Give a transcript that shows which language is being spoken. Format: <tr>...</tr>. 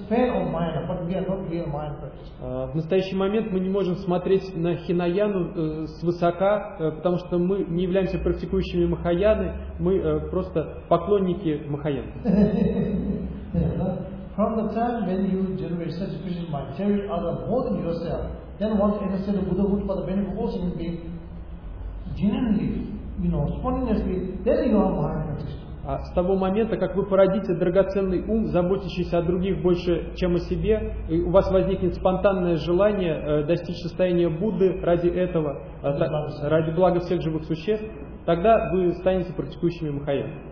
<ru>в настоящий момент мы не можем смотреть на хинаяну свысока, потому что мы не являемся практикующими махаяны, мы просто поклонники махаяны.</ru> <en>From the time when you generate such vision by cherish other more than yourself, then one can understand the Buddhahood for the benefit of all human beings, genuinely, you know, spontaneously, then you are Mahayana practitioner.</en> <ru>С того момента, как вы породите драгоценный ум, заботящийся о других больше, чем о себе, и у вас возникнет спонтанное желание достичь состояния Будды ради этого, ради блага всех живых существ, тогда вы станете практикующими Махаян.</ru>